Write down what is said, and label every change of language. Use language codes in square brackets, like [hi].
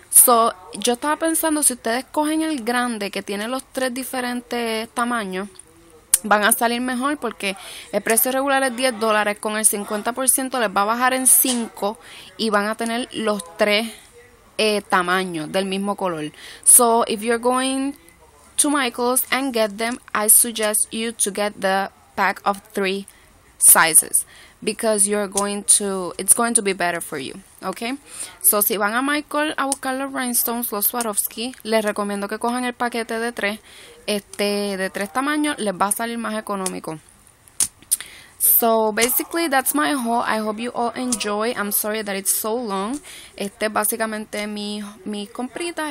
[es] So, yo estaba pensando, si ustedes cogen el grande que tiene los tres diferentes tamaños, van a salir mejor porque el precio regular es $10, con el 50% les va a bajar en 5 y van a tener los tres tamaños del mismo color. [en] So, if you're going to Michael's and get them, I suggest you to get the pack of three sizes. Because you're going to, it's going to be better for you, okay? [es] So, si van a Michael a buscar los rhinestones, los Swarovski, les recomiendo que cojan el paquete de tres, de tres tamaños, les va a salir más económico. [en] So, basically, that's my haul. I hope you all enjoy. I'm sorry that it's so long. [es] Básicamente mi compritas.